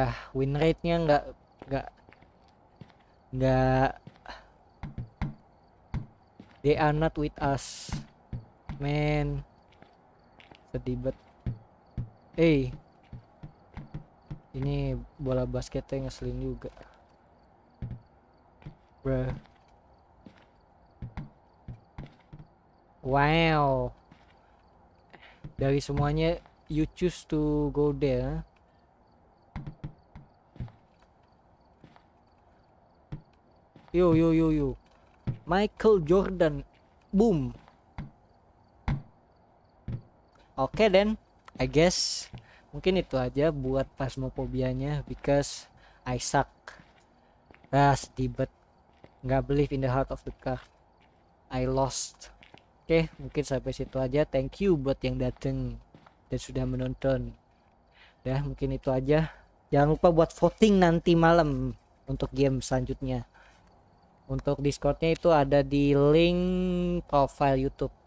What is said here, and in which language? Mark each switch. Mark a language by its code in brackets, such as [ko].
[en] Win rate-nya [id] enggak [en] they are not with us, man. [id] Sedih banget. Ini bola basketnya ngeselin juga. [en] Bruh. Wow. [id] Dari semuanya [en] you choose to go there. Yo. Michael Jordan. Boom. Okay then. I guess [id] mungkin itu aja buat phasmophobianya [en] because I suck. Stibet. [id] Enggak [en] believe in the heart of the card. I lost. [id] Okay, mungkin sampai situ aja. [en] Thank you [id] buat yang datang dan sudah menonton. Dah, mungkin itu aja. Jangan lupa buat voting nanti malam untuk game selanjutnya. Untuk Discord-nya itu ada di link profile YouTube.